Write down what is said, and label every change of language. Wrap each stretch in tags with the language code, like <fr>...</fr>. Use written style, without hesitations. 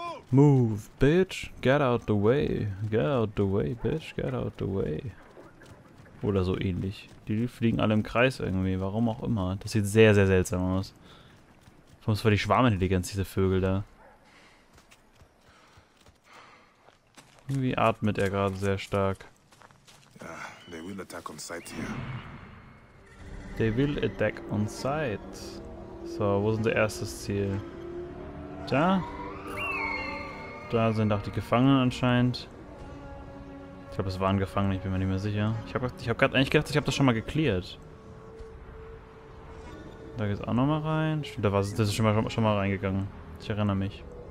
<en>Move, bitch. Get out the way. Get out the way, bitch. Get out the way.</en> <de>Oder so ähnlich. Die fliegen alle im Kreis irgendwie. Warum auch immer. Das sieht sehr, sehr seltsam aus. Vor allem die Schwarmintelligenz, diese Vögel da. Irgendwie atmet er gerade sehr stark.</de> <en>They will attack on sight here. They will attack on sight.</en> <de>So, wo ist unser erstes Ziel? Da? Da sind auch die Gefangenen anscheinend. Ich glaube, es waren Gefangene, ich bin mir nicht mehr sicher. Ich hab gerade eigentlich gedacht, ich habe das schon mal geklärt. Da geht's auch nochmal rein. Da war es, das ist schon mal reingegangen. Ich erinnere mich.</de>